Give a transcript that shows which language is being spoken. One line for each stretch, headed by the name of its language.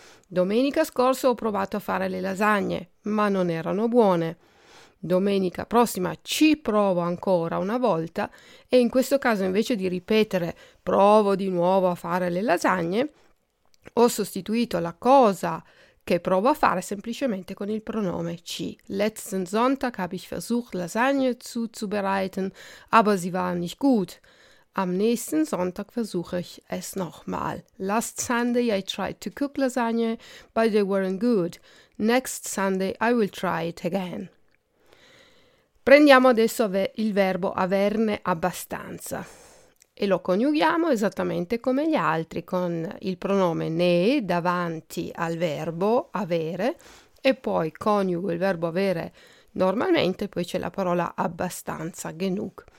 Italian: Domenica scorsa ho provato a fare le lasagne, ma non erano buone. Domenica prossima ci provo ancora una volta e in questo caso invece di ripetere provo di nuovo a fare le lasagne, ho sostituito la cosa che provo a fare semplicemente con il pronome ci.
German: Letzten Sonntag habe ich versucht Lasagne zuzubereiten, aber sie waren nicht gut. Am nächsten Sonntag versuche ich es nochmal.
English: Last Sunday I tried to cook lasagne, but they weren't good. Next Sunday I will try it again.
Italian: Prendiamo adesso il verbo averne abbastanza e lo coniughiamo esattamente come gli altri, con il pronome ne davanti al verbo avere e poi coniugo il verbo avere normalmente, poi c'è la parola abbastanza, genug.